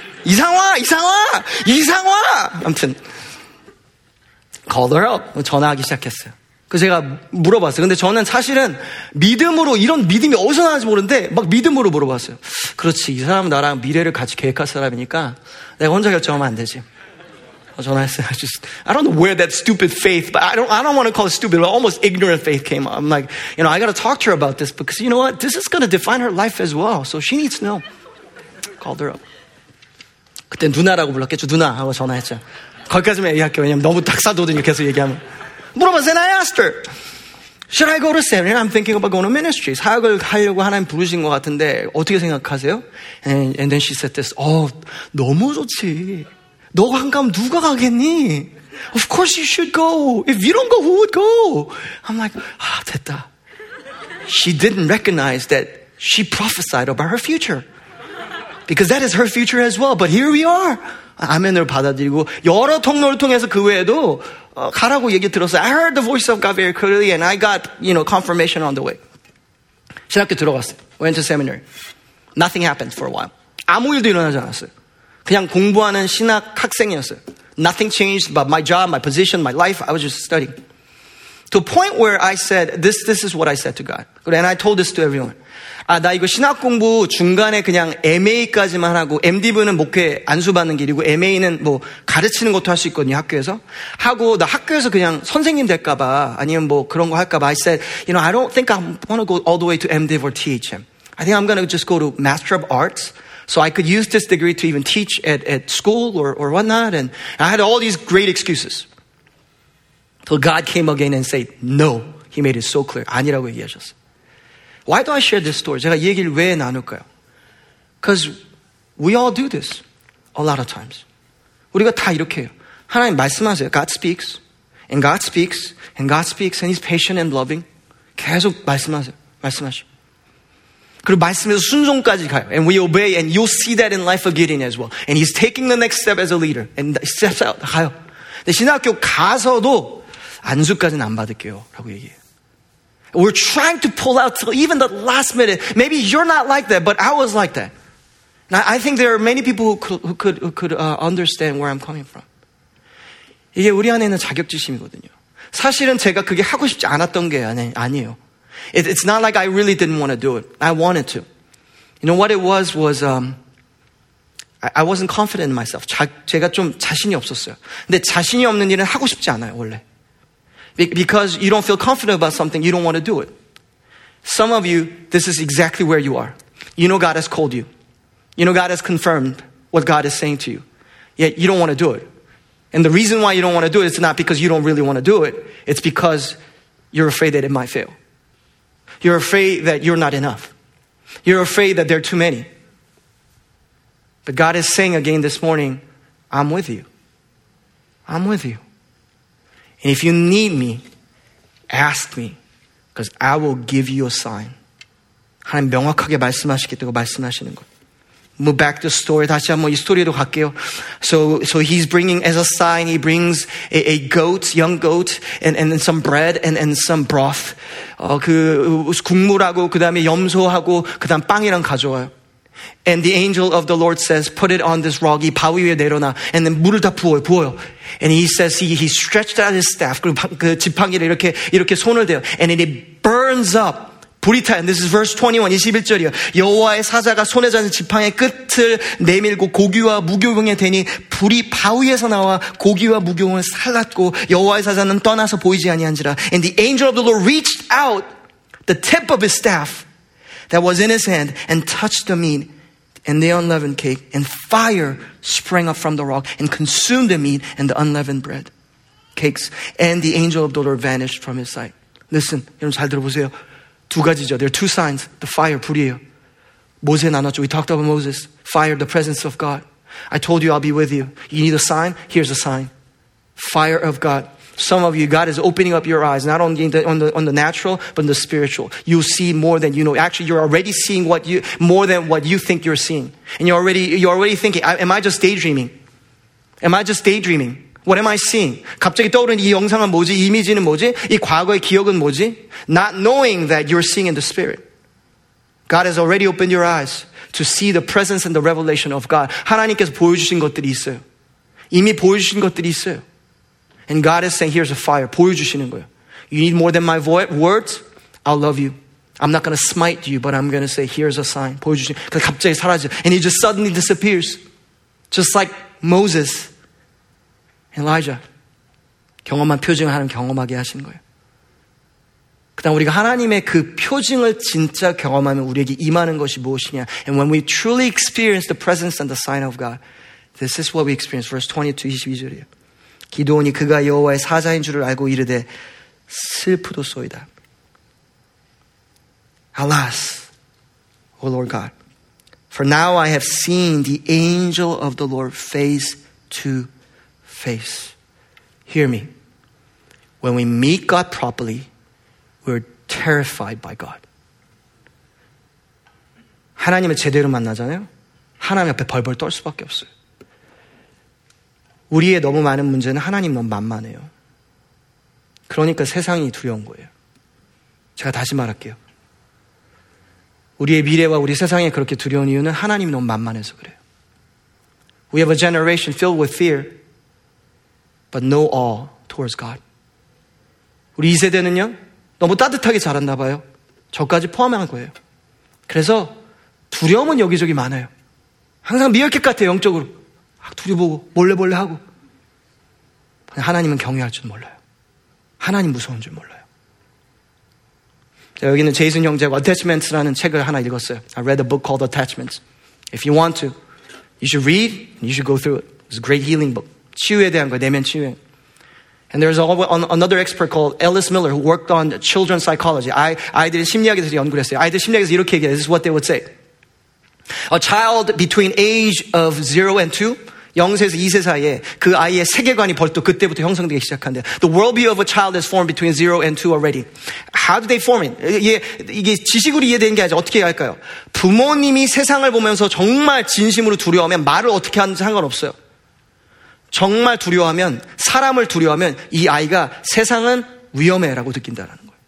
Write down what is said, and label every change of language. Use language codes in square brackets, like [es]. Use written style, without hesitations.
[ko] 이상화. 아무튼 [en] Call her up. [ko] 전화하기 시작했어요. 그 제가 물어봤어요. 근데 저는 사실은 믿음으로 이런 믿음이 어디서 나는지 모르는데 막 믿음으로 물어봤어요. 그렇지 이 사람은 나랑 미래를 같이 계획할 사람이니까 내가 혼자 결정하면 안 되지. 전화했어요. [en] I don't know where that stupid faith, but I don't want to call it stupid, but almost ignorant faith came. I'm like, you know, I got to talk to her about this because you know what? This is going to define her life as well. So she needs to know. Called her up. [ko] 그때 누나라고 불렀겠죠. 누나 하고 전화했죠. 거기까지만 얘기할게요. 왜냐면 너무 닥사도든요. 계속 얘기하면. 물어봤어요. [en] And I asked her, should I go to seminary? I'm thinking about going to ministry. [ko] 사역을 하려고 하나님 부르신 것 같은데 어떻게 생각하세요? [en] And then she said this, oh, [ko] 너무 좋지. 너가 안 가면 누가 가겠니? [en] Of course you should go. If you don't go, who would go? I'm like, [ko] 아, 됐다. [en] She didn't recognize that she prophesied about her future. Because that is her future as well. But here we are. [ko] 아멘을 받아들이고 여러 통로를 통해서 그 외에도 가라고 얘기 들었어요. [en] I heard the voice of God very clearly and I got, you know, confirmation on the way. [ko] 신학교 들어갔어요. [en] Went to seminary. Nothing happened for a while. [ko] 아무 일도 일어나지 않았어요. 그냥 공부하는 신학 학생이었어요. [en] Nothing changed about my job, my position, my life. I was just studying. To a point where I said, this is what I said to God. And I told this to everyone. [ko] 아, 나 이거 신학 공부 중간에 그냥 MA까지만 하고 MDV는 목회 안수받는 길이고 MA는 뭐 가르치는 것도 할 수 있거든요 학교에서 하고 나 학교에서 그냥 선생님 될까 봐 아니면 뭐 그런 거 할까 봐 [en] I said, you know, I don't think I want to go all the way to MDiv or THM. I think I'm going to just go to Master of Arts so I could use this degree to even teach at school or whatnot. And I had all these great excuses. Till God came again and said, no. He made it so clear. [ko] 아니라고 얘기하셨어요. [en] Why do I share this story? [ko] 제가 이 얘기를 왜 나눌까요? [en] Because we all do this a lot of times. [ko] 우리가 다 이렇게 해요. 하나님 말씀하세요. [en] God speaks, and God speaks, and God speaks, and He's patient and loving. [ko] 계속 말씀하세요. 그리고 말씀에서 순종까지 가요. [en] And we obey, and you'll see that in life of Gideon as well. And He's taking the next step as a leader. And He steps out, [ko] 가요. 근데 신학교 가서도 안수까지는 안 받을게요. 라고 얘기해요. [en] We're trying to pull out till even the last minute. Maybe you're not like that, but I was like that. And I think there are many people who could understand where I'm coming from. [ko] 이게 우리 안에 있는 자격지심이거든요. 사실은 제가 그게 하고 싶지 않았던 게 아니에요. [en] It's not like I really didn't want to do it. I wanted to. You know what it was I wasn't confident in myself. [ko] 제가 좀 자신이 없었어요. 근데 자신이 없는 일은 하고 싶지 않아요, 원래. [en] Because you don't feel confident about something, you don't want to do it. Some of you, this is exactly where you are. You know God has called you. You know God has confirmed what God is saying to you. Yet you don't want to do it. And the reason why you don't want to do it is not because you don't really want to do it. It's because you're afraid that it might fail. You're afraid that you're not enough. You're afraid that there are too many. But God is saying again this morning, I'm with you. I'm with you. And if you need me, ask me, because I will give you a sign. [ko] 하나님 명확하게 말씀하시기 때문에 말씀하시는 것. [en] move back the story. [ko] 다시 한번 이 스토리로 갈게요. [en] So he's bringing as a sign, he brings a goat, young goat, and some bread and some broth. [ko] 그 국물하고 그다음에 염소하고 그다음 빵이랑 가져와요. [en] And the angel of the Lord says, put it on this rock. [ko] 이 바위 위에 내려놔. [en] And then [ko] 물을 다 부어요. [en] And he says, he stretched out his staff. [ko] 그 지팡이를 이렇게 손을 대요. [en] And then it burns up. [ko] 불이 타요. [en] And this is verse 21, [ko] 21절이요. 여호와의 사자가 손에 잡은 지팡이의 끝을 내밀고 고기와 무교병이 되니 불이 바위에서 나와 고기와 무교병을 살랐고 여호와의 사자는 떠나서 보이지 아니한지라. [en] And the angel of the Lord reached out the tip of his staff that was in his hand and touched the meat and the unleavened cake and fire sprang up from the rock and consumed the meat and the unleavened bread cakes and the angel of the Lord vanished from his sight. Listen, [ko] 여러분 잘 들어보세요. 두 가지죠. [en] There are two signs. The fire, [ko] 불이에요. 모세 나눴죠. [en] We talked about Moses. Fire, the presence of God. I told you I'll be with you. You need a sign? Here's a sign. Fire of God. Some of you, God is opening up your eyes, not only on the natural, but in the spiritual. You'll see more than you know. Actually, you're already seeing more than what you think you're seeing. And you're already thinking, am I just daydreaming? What am I seeing? [ko] 갑자기 떠오르는 이 영상은 뭐지? 이미지는 뭐지? 이 과거의 기억은 뭐지? [en] Not knowing that you're seeing in the spirit. God has already opened your eyes to see the presence and the revelation of God. [ko] 하나님께서 보여주신 것들이 있어요. 이미 보여주신 것들이 있어요. [en] And God is saying, here's a fire. [ko] 보여주시는 거예요. [en] You need more than my words? I'll love you. I'm not going to smite you, but I'm going to say, here's a sign. [ko] 보여주시는 거예요. 갑자기 사라져. [en] And he just suddenly disappears. Just like Moses. Elijah. [ko] 경험한 표징을 하는 경험하게 하신 거예요. 그 다음 우리가 하나님의 그 표징을 진짜 경험하면 우리에게 임하는 것이 무엇이냐. [en] And when we truly experience the presence and the sign of God, this is what we experience. Verse 22, [ko] 22절이에요. 기도원이 그가 여호와의 사자인 줄을 알고 이르되 슬프도소이다. [en] Alas, O Lord God, for now I have seen the angel of the Lord face to face. Hear me. When we meet God properly, we're terrified by God. [ko] 하나님을 제대로 만나잖아요. 하나님 앞에 벌벌 떨 수밖에 없어요. 우리의 너무 많은 문제는 하나님 너무 만만해요. 그러니까 세상이 두려운 거예요. 제가 다시 말할게요. 우리의 미래와 우리 세상이 그렇게 두려운 이유는 하나님 너무 만만해서 그래요. [en] We have a generation filled with fear, but no awe towards God. [ko] 우리 이 세대는요, 너무 따뜻하게 자랐나 봐요. 저까지 포함한 거예요. 그래서 두려움은 여기저기 많아요. 항상 미역캣 같아요, 영적으로. 두려워보고 몰래 하고 하나님은 경외할 줄 몰라요. 하나님 무서운 줄 몰라요. 여기는 제이슨 형제가 Attachments라는 책을 하나 읽었어요. [en] I read a book called Attachments. If you want to, you should read and you should go through it. It's a great healing book. [ko] 치유에 대한 거예요. 내면 치유에. [en] And there's another expert called Ellis Miller who worked on children's psychology. [ko] 아이들의 심리학에 대해서 연구를 했어요. 아이들 심리학에서 이렇게 얘기해요. [en] This is what they would say. A child between age of 0 and 2, [ko] 0세에서 2세 사이에 그 아이의 세계관이 벌써 그때부터 형성되기 시작한대요. [en] The worldview of a child is formed between 0 and 2 already. How do they form it? [ko] 이게 지식으로 이해되는 게 아니죠. 어떻게 할까요? 부모님이 세상을 보면서 정말 진심으로 두려워하면 말을 어떻게 하는지 상관없어요. 정말 두려워하면, 사람을 두려워하면 이 아이가 세상은 위험해라고 느낀다는 거예요.